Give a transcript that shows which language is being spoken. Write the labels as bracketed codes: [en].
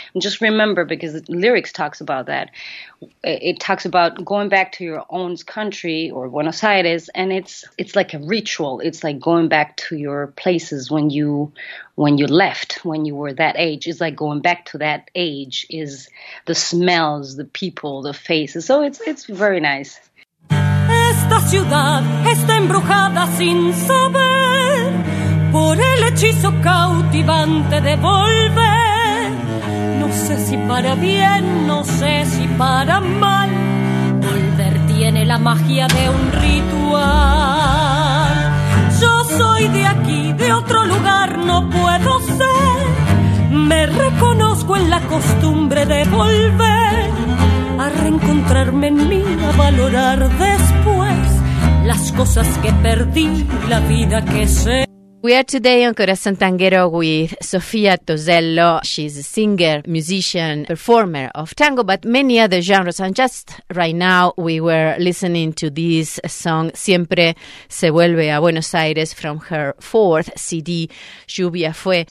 [en] And just remember, because the lyrics talks about that. It talks about going back to your own country or Buenos Aires, and it's like a ritual. It's like going back to your places when you left, when you were that age. It's like going back to that age is the smells, the people, the faces. So it's very nice. [es] Esta ciudad está embrujada sin saber por el hechizo cautivante de volver. No sé si para bien, no sé si para mal. Volver tiene la magia de un ritual. Yo soy de aquí, de otro lugar no puedo ser. Me reconozco en la costumbre de volver a reencontrarme en mí, a valorar después las cosas que perdí, la vida que sé. [en] We are today on Corazón Tanguero with Sofia Tosello. She's a singer, musician, performer of tango, but many other genres. And just right now, we were listening to this song, Siempre se vuelve a Buenos Aires, from her fourth CD, Lluvia Fue.